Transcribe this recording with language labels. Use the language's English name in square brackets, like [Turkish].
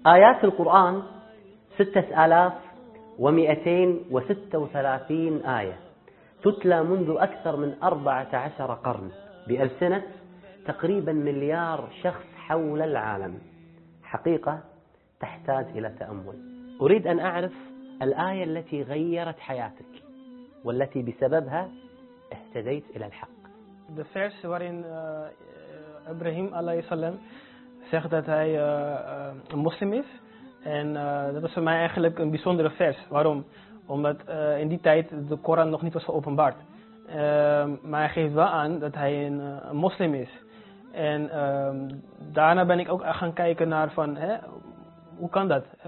[Arabic] Ayat al-Qur'an, 6236 آية تتلى منذ أكثر من 14 قرن بألسنة تقريبا مليار شخص حول العالم، حقيقة تحتاج إلى تأمل. أريد أن أعرف الآية التي غيرت حياتك والتي بسببها اهتديت إلى الحق. [English] The verse wherein Ibrahim alayhi salam said that he a Muslim is. [Dutch] En dat was voor mij eigenlijk een bijzondere vers. Waarom? Omdat in die tijd de Koran nog niet was geopenbaard. Maar hij geeft wel aan dat hij een moslim is. En daarna ben ik ook gaan kijken naar van, hè, hoe kan dat?